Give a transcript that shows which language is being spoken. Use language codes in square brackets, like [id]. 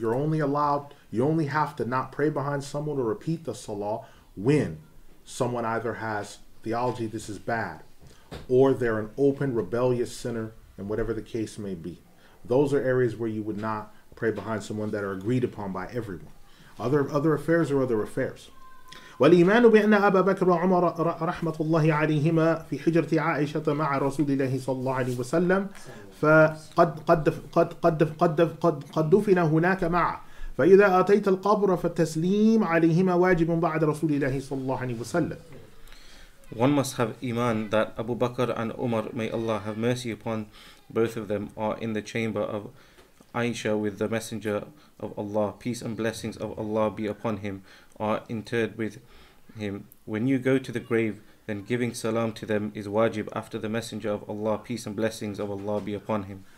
[en] You only have to not pray behind someone or repeat the salah when someone either has theology, this is bad, or they're an open rebellious sinner, and whatever the case may be. Those are areas where you would not pray behind someone that are agreed upon by everyone. Other affairs are other affairs. [ar] والإيمان بأن أبا بكر وعمر رحمة الله عليهما في حجرة عائشة مع رسول الله صلى الله عليه وسلم فقد دفن هناك معه فإذا أتيت القبر فالتسليم عليهما واجب بعد رسول الله صلى الله عليه وسلم. [en] One must have iman that Abu Bakr and Umar, may Allah have mercy upon both of them, are in the chamber of Aisha with the Messenger of Allah, peace and blessings of Allah be upon him, are interred with him. When you go to the grave, then giving salam to them is wajib after the Messenger of Allah, peace and blessings of Allah be upon him.